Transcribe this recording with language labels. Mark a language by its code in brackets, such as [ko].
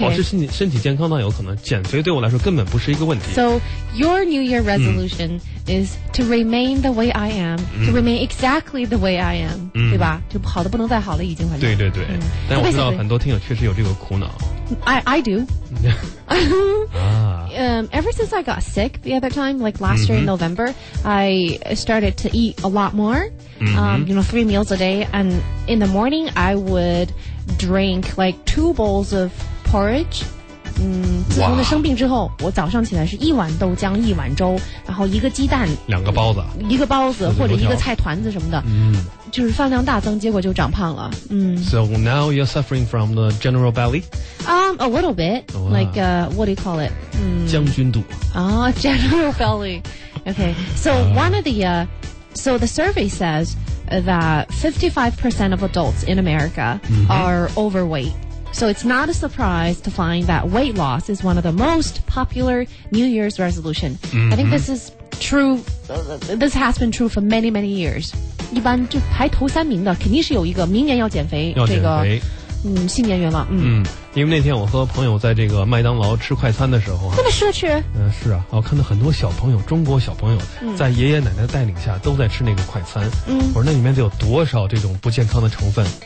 [zh] 保持身体健康倒有可能，减肥对我来说根本不是一个问题。 [en] So your New Year resolution、is to remain the way I am,、to remain exactly the way I am,、 [zh] 对吧？就好的不能再好了，已经很。对对对、但我知道很多听友确实有这个苦恼。 [en] I do. 啊。 Ever since I got sick the other time, like last、year in November, I started to eat a lot more.、you know, 3 meals a day, and in the morning I would drink like 2 bowls of porridge, [zh] 自从他生病之后，我早上起来是一碗豆浆一碗粥，然后一个鸡蛋，两个包子，一个包子或者一个菜团子什么的，嗯，就是饭量大增，结果就长胖了。嗯， [en] So now you're suffering from the general belly? A little bit. Like, what do you call it? [zh] 将军肚。 [en] General belly. Okay. So the survey says that 55% of adults in America are overweight. So it's not a surprise to find that weight loss is one of the most popular New Year's resolution. I think this is true. This has been true for many, many years. [zh] 一般就排头三名的肯定是有一个明年要减肥，这个新年愿望。因为那天我和朋友在这个麦当劳吃快餐的时候这么奢侈。是啊，我看到很多小朋友，中国小朋友在爷爷奶奶的带领下都在吃那个快餐。我说那里面得有多少这种不健康的成分。